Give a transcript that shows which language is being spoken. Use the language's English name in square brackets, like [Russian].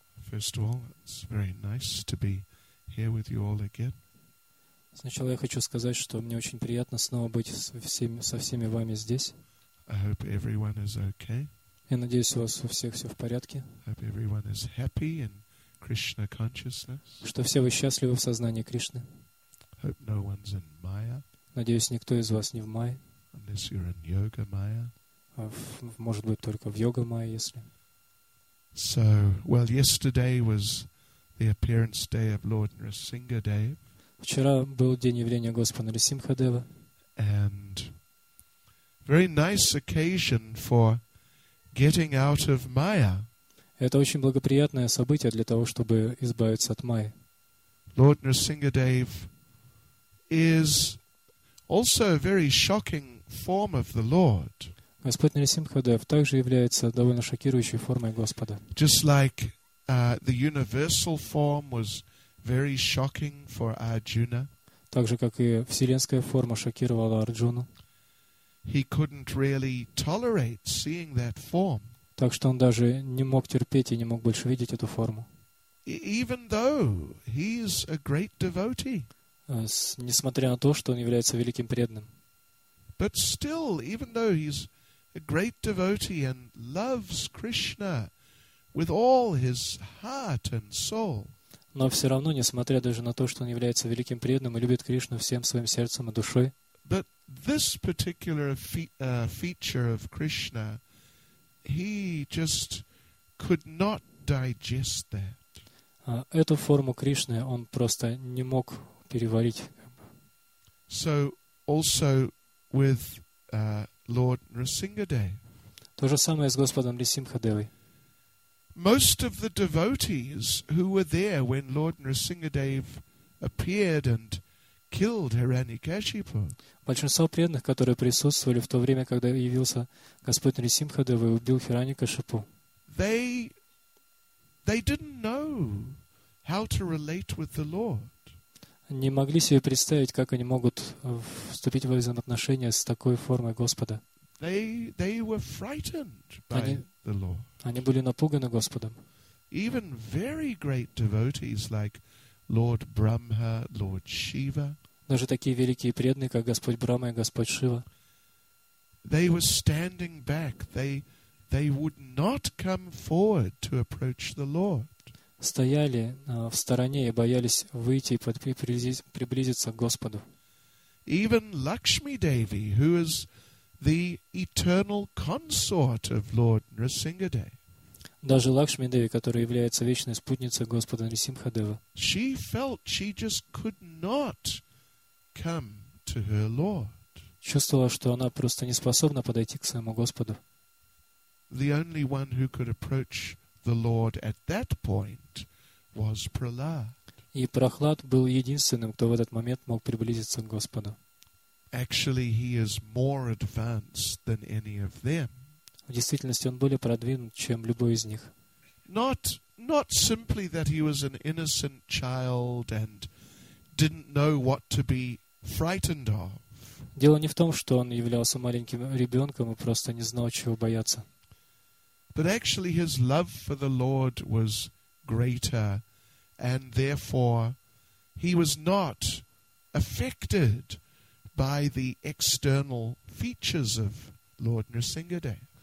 [English] First of all, it's very nice to be here with you all again. [Russian] Сначала я хочу сказать, что мне очень приятно снова быть со всеми вами здесь. [English] I hope everyone is okay. [Russian] Я надеюсь, у вас у всех все в порядке. [English] I hope everyone is happy in Krishna consciousness. [Russian] Что все вы счастливы в сознании Кришны. [English] Hope no one's in Maya. [Russian] Надеюсь, никто из вас не в Майе. [English] Unless you're in yoga Maya. [Russian] Может быть, только в йога Майе, если. [English] So, well, yesterday was the appearance day of Lord Nrisimha Dev. [Russian] Вчера был день явления Господа Нрисимхадева. [English] And very nice occasion for getting out of Maya. [Russian] Это очень благоприятное событие для того, чтобы избавиться от Майи. [English] Lord Nrisimha Dev is also a very shocking form of the Lord. [Russian] Господь Нрисимхадев также является довольно шокирующей формой Господа. [English] Just like the universal form was very shocking for Arjuna. [Russian] Так же, как и вселенская форма шокировала Арджуну. [English] He couldn't really tolerate seeing that form. [Russian] Так что он даже не мог терпеть и не мог больше видеть эту форму. [English] Even though he is a great devotee. [Russian] Несмотря на то, что он является великим преданным. [English] But still, even though he's a great devotee and loves Krishna with all his heart and soul. [Russian] Но все равно, несмотря даже на то, что он является великим преданным и любит Кришну всем своим сердцем и душой. [English] But this particular feature of Krishna, he just could not digest that. [Russian] Эту форму Кришны он просто не мог переварить. [English] So also with Lord Nrisimha Dev. [Russian] То же самое с Господом Нрисимхадевой. [English] Most of the devotees who were there when Lord Nrisimha Dev appeared and killed Hiranyakashipu. [Russian] Большинство преданных, которые присутствовали в то время, когда явился Господь Нрисимхадев и убил Хираньякашипу. [English] They didn't know how to relate with the Lord. [Russian] Не могли себе представить, как они могут вступить во взаимоотношения с такой формой Господа. [English] They were frightened by the Lord. [Russian] Они были напуганы Господом. [English] Even very great devotees like Lord Brahma, Lord Shiva. [Russian] Даже такие великие преданные, как Господь Брама и Господь Шива. [English] They were standing back. They would not come forward to approach the Lord. [Russian] Стояли в стороне и боялись выйти и приблизиться к Господу. [English] Even Lakshmi Devi, who is the eternal consort of Lord Nrisimha Dev. [Russian] Даже Лакшми Деви, которая является вечной спутницей Господа Нрисимхадева. [English] She felt she just could not come to her Lord. [Russian] Чувствовала, что она просто не способна подойти к своему Господу. [English] The only one who could approach the Lord at that point was Prahlad. [Russian] И Прохлад был единственным, кто в этот момент мог приблизиться к Господу. [English] Actually, he is more advanced than any of them. [Russian] В действительности он более продвинут, чем любой из них. [English] Not simply that he was an innocent child and didn't know what to be frightened of. [Russian] Дело не в том, что он являлся маленьким ребенком и просто не знал, чего бояться. [English] But actually, his love for the Lord was greater, and therefore, he was not affected by the external features of Lord Nrisimha Dev.